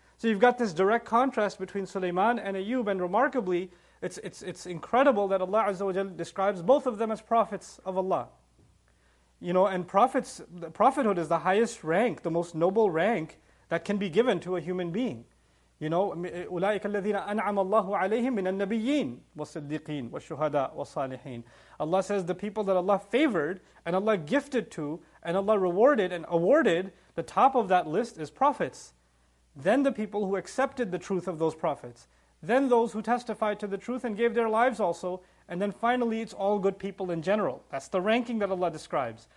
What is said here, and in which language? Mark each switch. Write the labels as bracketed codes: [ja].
[en] So you've got this direct contrast between Sulaiman and Ayyub, and remarkably, it's incredible that Allah Azza wa Jalla describes both of them as prophets of Allah. You know, and prophets, prophethood is the highest rank, the most noble rank that can be given to a human being. You know, [ar] أُولَٰئِكَ الَّذِينَ أَنْعَمَ اللَّهُ عَلَيْهِمْ مِنَ النَّبِيِّينَ وَالصِّدِّقِينَ وَالشُّهَدَاءَ وَالصَّالِحِينَ. [en] Allah says the people that Allah favored and Allah gifted to and Allah rewarded and awarded, the top of that list is prophets. Then the people who accepted the truth of those prophets. Then those who testified to the truth and gave their lives also. And then finally, it's all good people in general. That's the ranking that Allah describes.